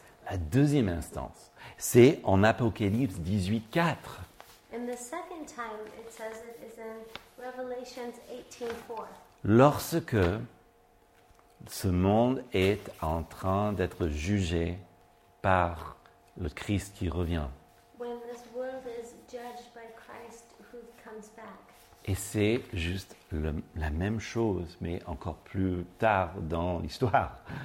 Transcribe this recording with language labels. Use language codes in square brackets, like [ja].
[fr] La deuxième instance, c'est en Apocalypse 18:4. [en] In the second time, it says it is in Revelations 18:4. [fr] Lorsque ce monde est en train d'être jugé par le Christ qui revient. [en] When this world is judged by Christ who comes back. [fr] Et c'est juste la même chose, mais encore plus tard dans l'histoire.